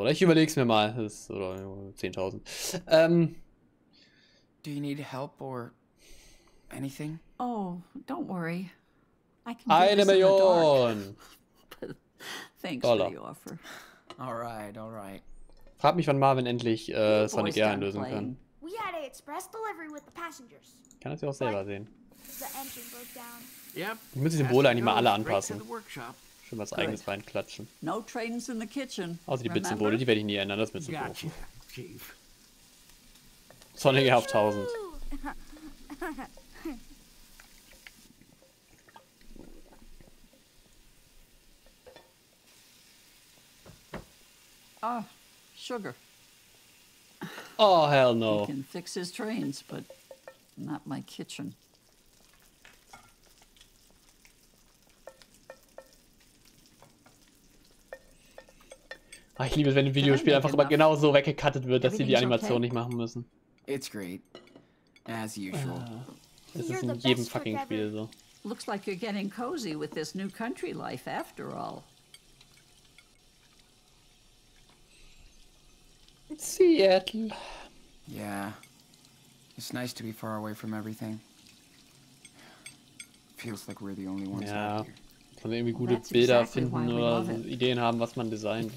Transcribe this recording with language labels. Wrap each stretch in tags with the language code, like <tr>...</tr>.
<de>Oder ich überleg's mir mal. Das ist, oder 10.000.</de> <en>Do you need help or. Anything? Oh, don't worry. I can get this in the dark. Thanks for the offer. All right.</en> <de>Frag mich, wann Marvin endlich Sonic Air lösen kann.</de> <en>We had an express delivery with the passengers.</en> <de>Kann das ja auch selber sehen.</de> <en>The engine broke down. Yep.</en> <de>Ich muss den Bowl eigentlich mal alle anpassen. Schon was eigenes reinklatschen.</de> <en>No trains in the kitchen.</en> <de>Außer die Bitzen Bowl, die werde ich nie ändern, das ist mir zu doof. Sonic Air auf 1000.</de> <en>Oh, sugar. Oh, hell no. He can fix his trains, but not my kitchen.</en> <de>Ich Ach, ich liebe es, wenn ein Videospiel einfach immer genau so weggecuttet wird, dass sie die Animation nicht machen müssen.</de> <en>It's great. As usual.</en> <de>Es ist in jedem fucking Spiel so.</de> <en>Looks like you're getting cozy with this new country life after all. Seattle. Yeah. It's nice to be far away from everything. Feels like we're the only ones out here.</en> <de>Und irgendwie gute Bilder finden oder so Ideen haben, was man designt.</de>